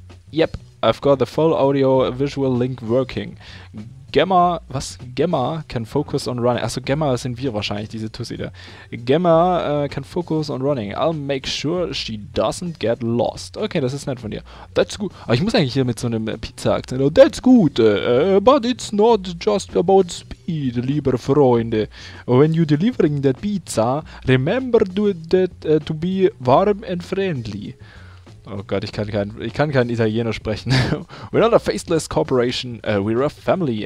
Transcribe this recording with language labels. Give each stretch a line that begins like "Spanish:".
English: Yep, I've got the full audio visual link working. Gemma, was? Gemma can focus on running.
German: Achso, Gemma sind wir wahrscheinlich, diese Tussi da.
English: Gemma can focus on running. I'll make sure she doesn't get lost.
German: Okay, das ist nett von dir.
English: That's good.
German: Aber ich muss eigentlich hier mit so einem Pizza-Akzent.
English: That's good, but it's not just about speed,
German: liebe Freunde.
English: When you're delivering that pizza, remember to be warm and friendly.
German: Oh Gott, ich kann kein Italiener sprechen.
English: We're not a faceless corporation, we're a family.